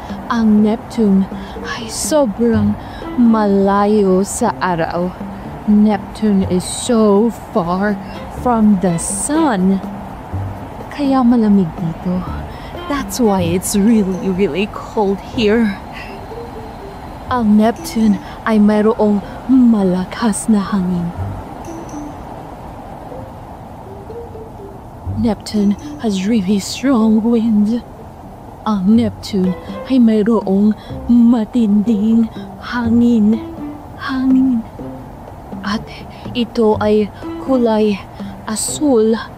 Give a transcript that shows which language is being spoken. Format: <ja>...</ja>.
<tl>Ang Neptune ay sobrang malayo sa araw.</tl> <en>Neptune is so far from the sun.</en> <tl>Kaya malamig dito.</tl> <en>That's why it's really, really cold here.</en> <tl>Ang Neptune ay mayroong malakas na hangin.</tl> <en>Neptune has really strong wind.</en> <tl>Ang Neptune ay mayroong matinding hangin. Hangin. At ito ay kulay asul</tl>